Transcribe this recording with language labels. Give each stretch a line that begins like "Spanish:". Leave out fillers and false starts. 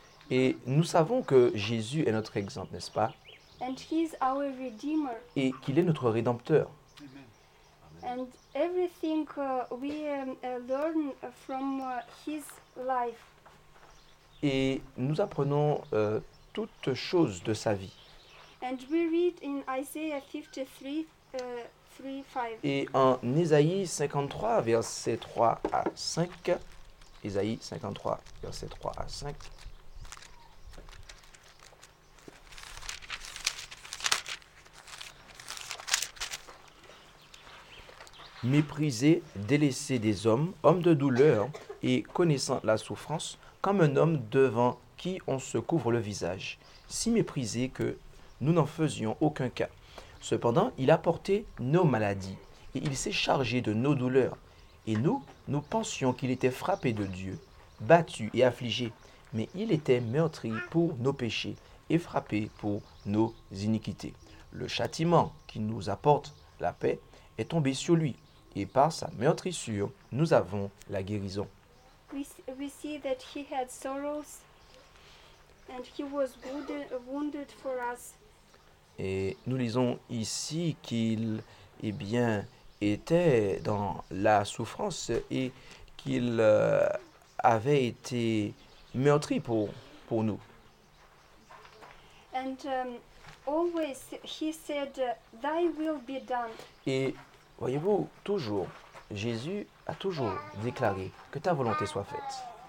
French: Et nous savons que Jésus est notre exemple, n'est-ce pas?
English: And he is our Redeemer.
French: Et qu'il est notre Rédempteur. Amen.
English: And everything we learn from his life.
French: Et nous apprenons toutes choses de sa vie.
English: And we read in Isaiah 53, 3-5.
French: Et en Ésaïe 53, versets 3 à 5. Ésaïe 53, versets 3 à 5. Méprisé, délaissé des hommes, homme de douleur et connaissant la souffrance, comme un homme devant qui on se couvre le visage, si méprisé que nous n'en faisions aucun cas. Cependant, il a porté nos maladies et il s'est chargé de nos douleurs. Et nous, nous pensions qu'il était frappé de Dieu, battu et affligé, mais il était meurtri pour nos péchés et frappé pour nos iniquités. Le châtiment qui nous apporte la paix est tombé sur lui. Et par sa meurtrissure, nous avons la guérison.
English: We see that he had sorrows and he was wounded for us.
French: Et nous lisons ici qu'il était dans la souffrance et qu'il avait été meurtri pour nous.
English: And always he said, "Thy will be done."
French: Et voyez-vous, toujours, Jésus a toujours déclaré que ta volonté soit faite.